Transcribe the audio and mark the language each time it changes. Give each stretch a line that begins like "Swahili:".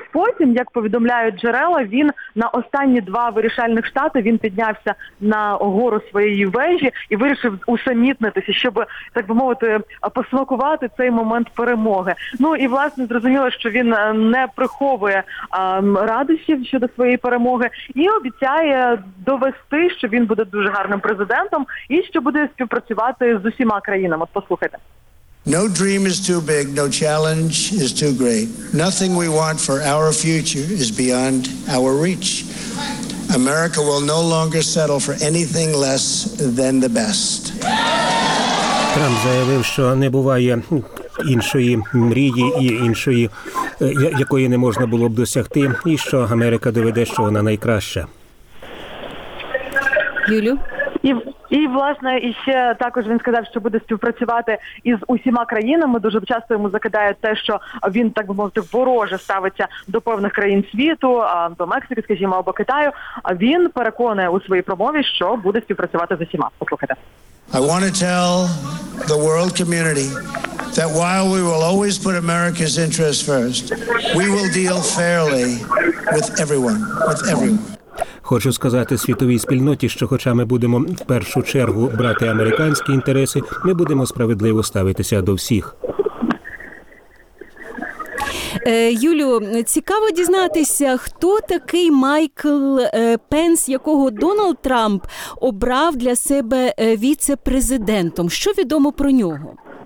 Ukrainian: Потім, як повідомляють джерела, він на останні два вирішальних штати, він піднявся на гору своєї вежі і вирішив усамітнитися, щоб, так би мовити, посмакувати цей момент перемоги. Ну і, власне, зрозуміло, що він не приховує радощів щодо своєї перемоги і обіцяє довести, що він буде дуже гарним президентом і що буде співпрацювати з усіма країнами. От послухайте.
English: No dream is too big, no challenge is too great. Nothing we want for our future is beyond our reach. America will no longer settle for anything less than the best.
Ukrainian: Трамп заявив, що не буває іншої мрії і іншої, якої не можна було б досягти, і що Америка доведе, що вона найкраща. Юлю? І, власне, і ще також він сказав, що буде співпрацювати із усіма країнами. Дуже часто йому закидають те, що він, так би мовити, вороже ставиться до певних країн світу, до Мексики, скажімо, або Китаю. А він переконує у своїй промові, що буде співпрацювати з усіма. Послухайте.
English: I want to tell the world community that while we will always put America's interests first, we will deal fairly with everyone, with everyone.
Ukrainian: Хочу сказати світовій спільноті, що хоча ми будемо в першу чергу брати американські інтереси, ми будемо справедливо ставитися до всіх. Юлю, цікаво дізнатися, хто такий Майкл Пенс, якого Дональд Трамп обрав для себе віцепрезидентом. Що відомо про нього?